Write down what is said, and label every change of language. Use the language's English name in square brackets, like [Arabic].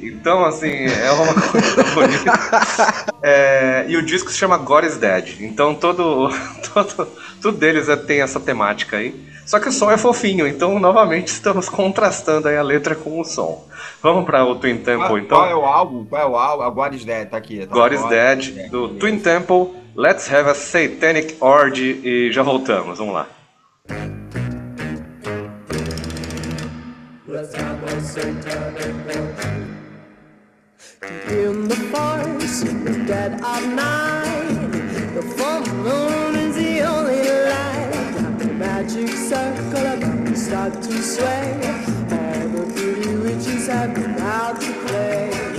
[Portuguese] Então, assim, é uma coisa bonita. É, e o disco se chama God is Dead. Então, tudo deles tem essa temática aí. Só que o som é fofinho. Então, novamente, estamos contrastando aí a letra com o som. Vamos para o Twin Temple, qual, então. Qual é o álbum? Qual é o álbum? A God is Dead, tá aqui. God is Dead, do Twin Temple. Let's have a satanic orgy e já voltamos, vamos lá. [English] Let's have a satanic orgy. In the forest, dead of night, the full moon is the only light. The magic circle of you start to sway, and the beauty witches have been out to play.